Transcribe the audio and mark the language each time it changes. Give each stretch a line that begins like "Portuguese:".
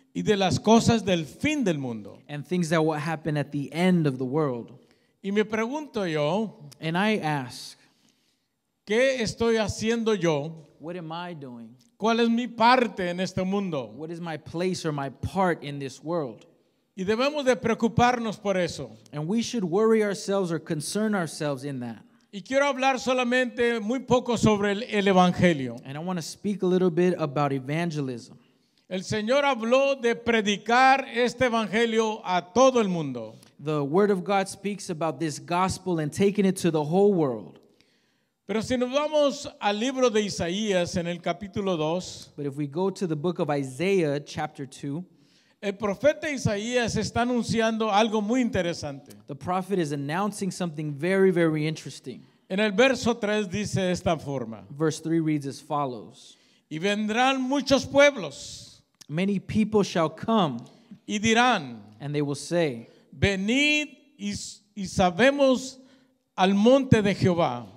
Spanish: Y de las cosas del fin del mundo.
English: And things that will happen at the end of the world.
Spanish: Y me pregunto yo.
English: And I ask.
Spanish: ¿Qué estoy haciendo yo?
English: What am I doing?
Spanish: ¿Cuál es mi parte en este mundo?
English: What is my place or my part in this world?
Spanish: Y debemos de preocuparnos por eso.
English: And we should worry ourselves or concern ourselves in that.
Spanish: Y quiero hablar solamente muy poco sobre el evangelio.
English: And I want to speak a little bit about evangelism.
Spanish: El Señor habló de predicar este evangelio a todo el mundo.
English: The Word of God speaks about this gospel and taking it to the whole world.
Spanish: Pero si nos vamos al libro de Isaías en el capítulo 2,
English: but if we go to the book of Isaiah, chapter 2,
Spanish: el profeta Isaías está anunciando algo muy interesante.
English: The prophet is announcing something very, very interesting.
Spanish: En el verso 3 dice esta forma.
English: Verse 3 reads as follows.
Spanish: Y vendrán muchos pueblos.
English: Many people shall come.
Spanish: Y dirán.
English: And they will say.
Spanish: Venid y sabemos al monte de Jehová.